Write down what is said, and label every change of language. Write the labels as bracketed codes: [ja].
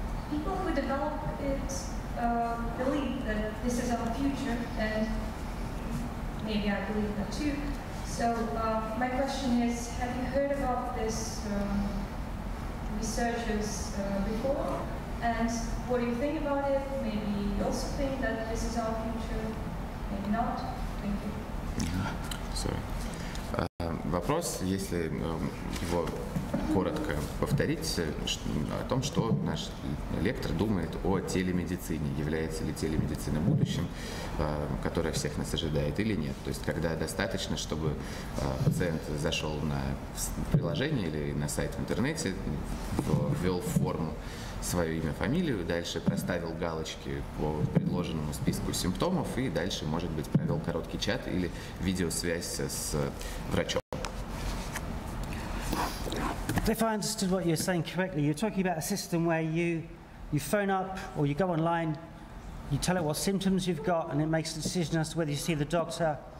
[en] People who develop it believe that this is our future, and maybe I believe that too. So my question is, have you heard about this researchers before? And what do you think about it? Maybe you also think that this is our future, maybe not. Thank you. Sorry. [ru] Вопрос, если его коротко повторить, о том, что наш лектор думает о телемедицине. Является ли телемедицина будущим, которое всех нас ожидает, или нет. То есть, когда достаточно, чтобы пациент зашел на приложение или на сайт в интернете, ввел форму, свое имя, фамилию, дальше проставил галочки по предложенному списку симптомов и дальше, может быть, провел короткий чат или видеосвязь с врачом. [en] If I understood what you're saying correctly, you're talking about a system where you phone up or you go online, you tell it what symptoms you've got, and it makes a decision as to whether you see the doctor